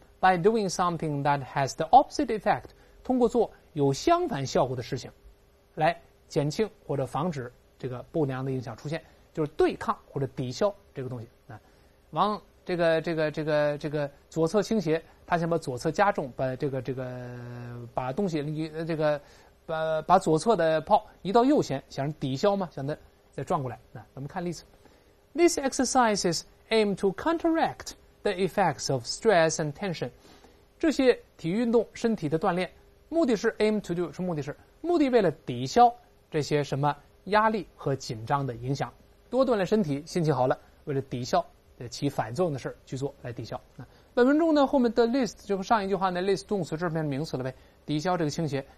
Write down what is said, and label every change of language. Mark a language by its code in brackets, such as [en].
[en] by doing something that has the opposite effect， [zh] 通过做有相反效果的事情来减轻或者防止这个不良的影响出现，就是对抗或者抵消这个东西。往这个左侧倾斜，他想把左侧加重，把这个把东西这个把左侧的炮移到右舷，想抵消嘛，想再转过来。那咱们看例子。 [en] These exercises aim to counteract the effects of stress and tension。 [zh] 这些体育运动身体的锻炼，目的是 aim to do， 是目的是目的为了抵消这些什么压力和紧张的影响，多锻炼身体，心情好了，为了抵消起反作用的事去做来抵消。本文中呢，后面的 list 就上一句话呢 list 动词这边名词了呗，抵消这个倾斜。